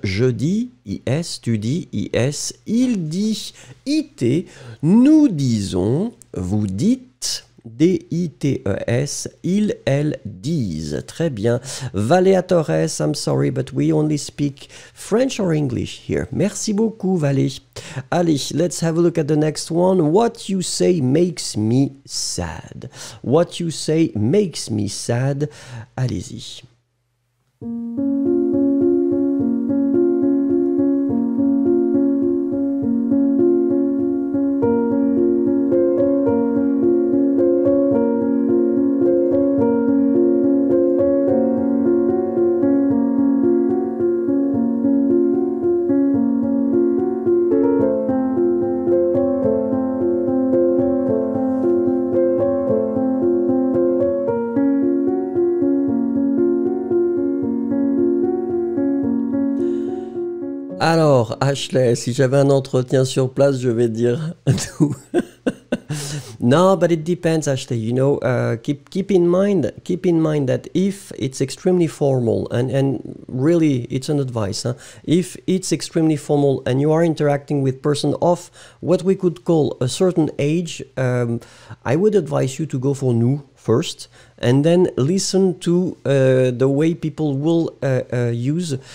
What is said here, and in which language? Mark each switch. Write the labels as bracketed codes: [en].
[fr] Je dis, I-S, tu dis, I-S, il dit, I-T, nous disons, vous dites, D-I-T-E-S, ils, elles disent. Très bien. [en] Valéa Torres, I'm sorry, but we only speak French or English here. [fr] Merci beaucoup, Valé. Allez, [en] let's have a look at the next one. What you say makes me sad. What you say makes me sad. [fr] Allez-y. Alors, Ashley, si j'avais un entretien sur place, je vais dire tout. [en] No, but it depends, Ashley. You know, keep in mind that if it's extremely formal, and really, it's an advice, huh? If it's extremely formal and you are interacting with person of what we could call a certain age, I would advise you to go for nous first, and then listen to the way people will use.